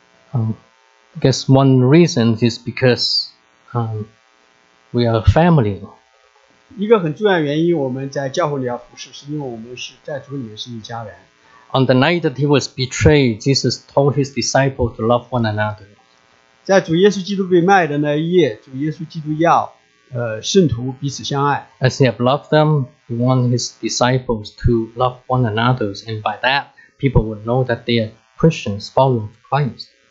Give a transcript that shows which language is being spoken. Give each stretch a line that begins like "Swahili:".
English: I guess one reason is because we are a family.
Chinese: 一个很重要的原因我们在教会里要服侍，是因为我们是在主里面是一家人。
English: On the night that he was betrayed, Jesus told his disciples to love one another.
Chinese: 在主耶稣基督被卖的那一夜，主耶稣基督要圣徒彼此相爱。
English: As he had loved them, he wanted his disciples to love one another, and by that, people would know that they are Christians, followers of Christ.